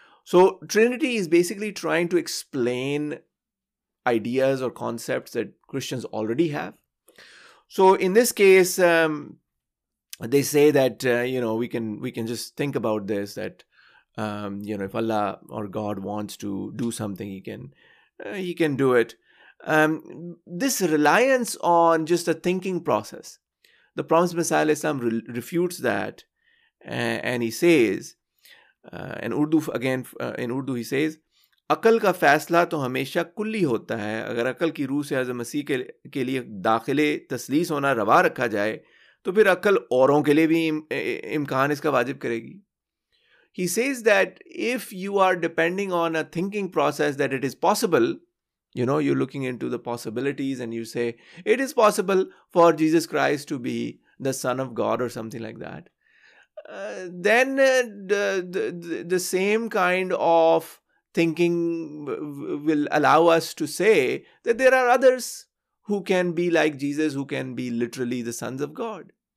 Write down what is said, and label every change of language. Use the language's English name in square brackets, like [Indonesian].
[English] So Trinity is basically trying to explain ideas or concepts that Christians already have. So in this case, they say that, you know, we can just think about this, that, you know, if Allah or God wants to do something, he can do it. This reliance on just a thinking process, the Promised Messiah refutes that, and he says, [Urdu] in Urdu, again, in Urdu, he says, عقل کا فیصلہ تو ہمیشہ کلی ہوتا ہے اگر عقل کی روح سے حضرت مسیح کے لیے داخلے تسلیس ہونا روا رکھا جائے تو پھر عقل اوروں کے لیے بھی امکان اس کا واجب کرے گی. [English] He says that if you are depending on a thinking process that it is possible, you know, you're looking into the possibilities and you say it is possible for Jesus Christ to be the Son of God or something like that, then the same kind of thinking will allow us to say that there are others who can be like Jesus, who can be literally the sons of God.